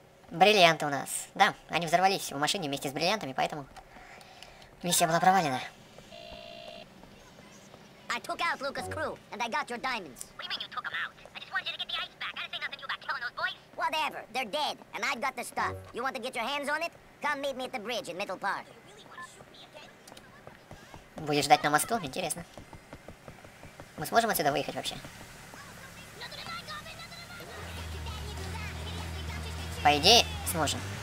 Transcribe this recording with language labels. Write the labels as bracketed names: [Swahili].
[Russian] Бриллианты у нас. Да, они взорвались в машине вместе с бриллиантами, поэтому миссия была провалена. [English] I took out Lucas' crew, and I got your diamonds. What do you mean you took them out? I just wanted you to get the ice back. I didn't say nothing to you about killing those boys. Whatever, they're dead, and I've got the stuff. You want to get your hands on it? Come meet me at the bridge in Middle Park. [Russian] Будешь ждать на мосту? Интересно. Мы сможем отсюда выехать вообще? По идее, сможем.